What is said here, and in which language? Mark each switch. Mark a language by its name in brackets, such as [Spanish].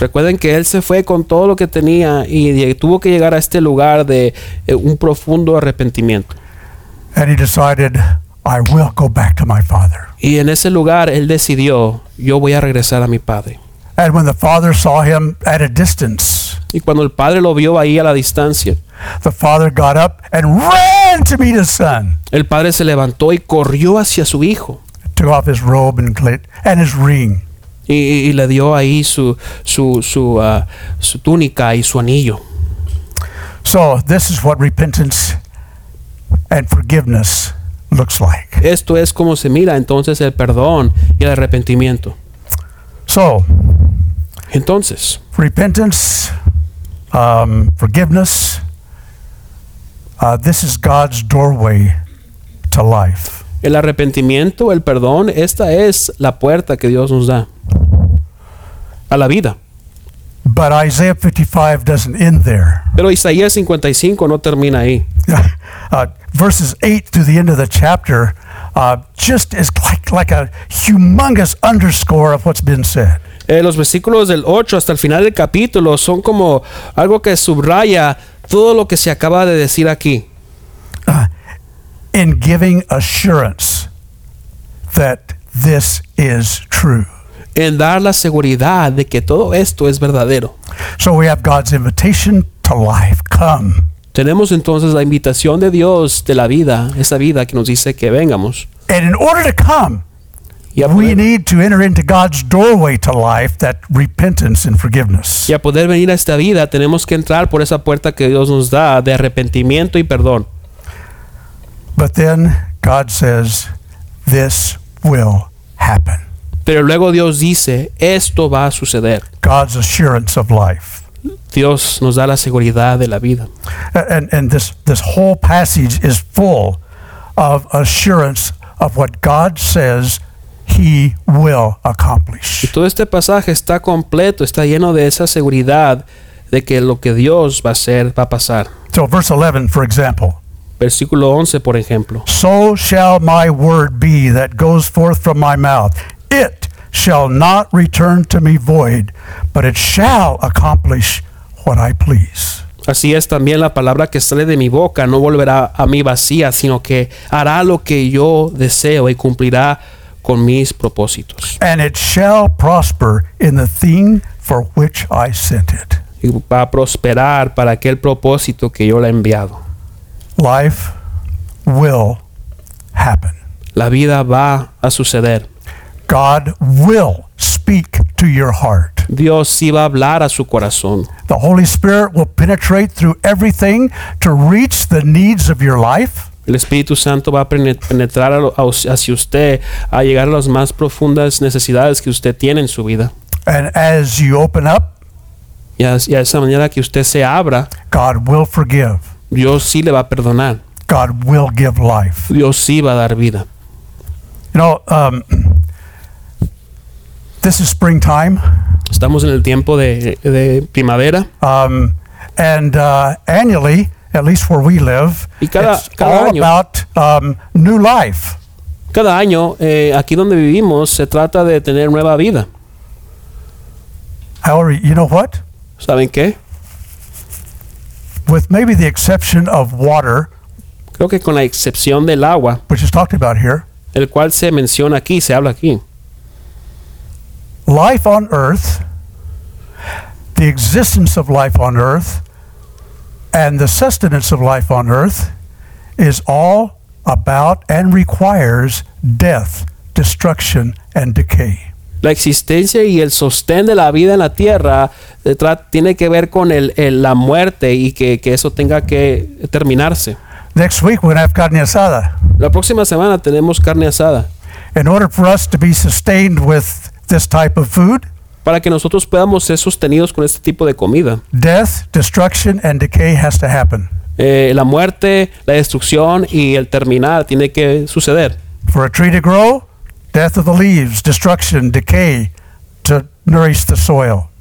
[Spanish] Recuerden que él se fue con todo lo que tenía y tuvo que llegar a este lugar de un profundo arrepentimiento. [English] And he decided, I will go back to my father. [Spanish] Y en ese lugar él decidió, yo voy a regresar a mi padre. [English] And when the father saw him at a distance. [Spanish] Y cuando el padre lo vio ahí a la distancia. [English] The father got up and ran to meet his son. [Spanish] El padre se levantó y corrió hacia su hijo. [English] Took off his robe and his ring. [Spanish] Y le dio ahí su túnica y su anillo. [English] So this is what repentance and forgiveness looks like. [Spanish] Esto es como se mira entonces el perdón y el arrepentimiento. [English] So, [Spanish] entonces, [English] repentance, forgiveness, this is God's doorway to life. [Spanish] El arrepentimiento, el perdón, esta es la puerta que Dios nos da a la vida. [English] But Isaiah 55 doesn't end there. [Spanish] Pero Isaías 55 no termina ahí. [English] Verses 8 through the end of the chapter just is like a humongous underscore of what's been said. [Spanish] Los versículos del 8 hasta el final del capítulo son como algo que subraya todo lo que se acaba de decir aquí. [English] In giving assurance that this is true. [Spanish] En dar la seguridad de que todo esto es verdadero. [English] So we have God's invitation to life. Come. [Spanish] Tenemos entonces la invitación de Dios de la vida, esa vida que nos dice que vengamos. [English] And in order to come, we need to enter into God's doorway to life, that repentance and forgiveness. [Spanish] Y a poder venir a esta vida, tenemos que entrar por esa puerta que Dios nos da de arrepentimiento y perdón. [English] But then God says, this will happen. [Spanish] Pero luego Dios dice, esto va a suceder. [English] God's assurance of life. [Spanish] Dios nos da la seguridad de la vida. [English] And this whole passage is full of assurance of what God says He will accomplish. [Spanish] Y todo este pasaje está completo, está lleno de esa seguridad de que lo que Dios va a hacer va a pasar. [English] So verse 11, for example. [Spanish] Versículo 11, por ejemplo. [English] So shall my word be that goes forth from my mouth. It shall not return to me void, but it shall accomplish what I please. [Spanish] Así es también la palabra que sale de mi boca no volverá a mí vacía, sino que hará lo que yo deseo y cumplirá con mis propósitos. [English] And it shall prosper in the thing for which I sent it. [Spanish] Y va a prosperar para aquel propósito que yo le he enviado. [English] Life will happen. [Spanish] La vida va a suceder. [English] God will speak to your heart. [Spanish] Dios sí va a hablar a su corazón. [English] The Holy Spirit will penetrate through everything to reach the needs of your life. [Spanish] El Espíritu Santo va a penetrar hacia usted, a llegar a las más profundas necesidades que usted tiene en su vida. [English] And as you open up, [Spanish] y a esa manera que usted se abra, [English] God will forgive. [Spanish] Dios sí le va a perdonar. [English] God will give life. [Spanish] Dios sí va a dar vida. [English] You know, this is springtime. [Spanish] Estamos en el tiempo de primavera. [English] Annually, at least where we live, it's all about new life. [Spanish] Cada año, aquí donde vivimos, se trata de tener nueva vida. [English] However, you know what? [Spanish] ¿Saben qué? [English] With maybe the exception of water, [Spanish] creo que con la excepción del agua, [English] which is talked about here, [Spanish] el cual se menciona aquí, se habla aquí. [English] Life on earth, the existence of life on earth, and the sustenance of life on earth is all about and requires death, destruction, and decay. [Spanish] La existencia y el sostén de la vida en la tierra tiene que ver con la muerte y que eso tenga que terminarse. [English] Next week we're going to have carne asada. [Spanish] La próxima semana tenemos carne asada. [English] In order for us to be sustained with this type of food, [Spanish] para que nosotros podamos ser sostenidos con este tipo de comida, [English] death, destruction, and decay has to happen. [Spanish] La muerte, la destrucción y el terminar tiene que suceder. [English] For a tree to grow, death of the leaves, destruction, decay to nourish the soil.